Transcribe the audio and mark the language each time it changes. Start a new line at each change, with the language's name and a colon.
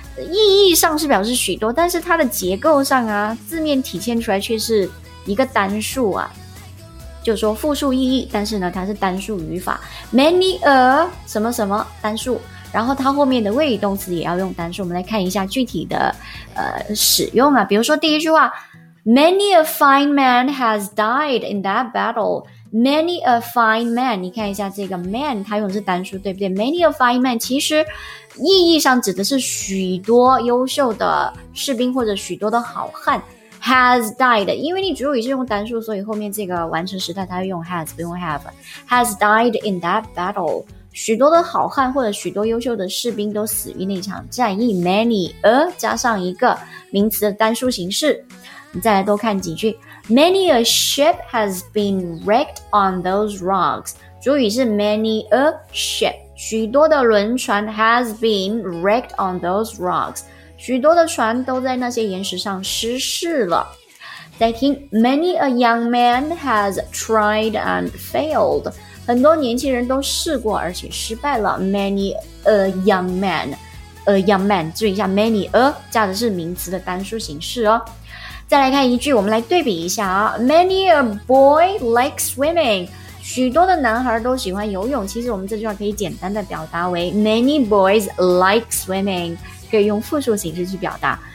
Chinese: 意义上是表示许多，但是它的结构上啊，字面体现出来却是一个单数啊，就说复数意义，但是呢它是单数语法。 many a 什么什么单数，然后它后面的谓语动词也要用单数。我们来看一下具体的使用啊。比如说第一句话，
English: many a fine man has died in that battle。
Chinese: many a fine man， 你看一下这个 man 它用的是单数，对不对？ many a fine man 其实意义上指的是许多优秀的士兵或者许多的好汉。 has died， 因为你主语是用单数，所以后面这个完成时态它用 has 不用 have。
English: has died in that battle，
Chinese: 许多的好汉或者许多优秀的士兵都死于那场战役。 many 加上一个名词的单数形式。你再来多看几句，
English: Many a ship has been wrecked on those rocks.
Chinese: 主语是
English: many a ship.
Chinese: 许多的轮船
English: has been wrecked on those rocks.
Chinese: 许多的船都在那些岩石上失事了。再听
English: many a young man has tried and failed.
Chinese: 很多年轻人都试过而且失败了。
English: Many a young man.
Chinese: A young man, 注意一下 many a, 加的是名词的单数形式哦。再来看一句，我们来对比一下啊。
English: Many a boy likes swimming.
Chinese: 许多的男孩都喜欢游泳。其实我们这句话可以简单的表达为
English: many boys like swimming,
Chinese: 可以用复数形式去表达。